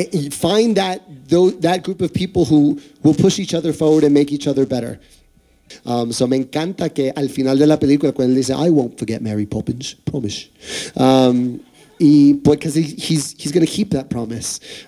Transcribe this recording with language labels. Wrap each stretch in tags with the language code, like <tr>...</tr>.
<en>Find that group of people who will push each other forward and make each other better.</en> <es>So me encanta que al final de la película cuando él dice</es> <en>I won't forget Mary Poppins, promise.</en> <es>Y porque</es> <en>he's going to keep that promise.</en>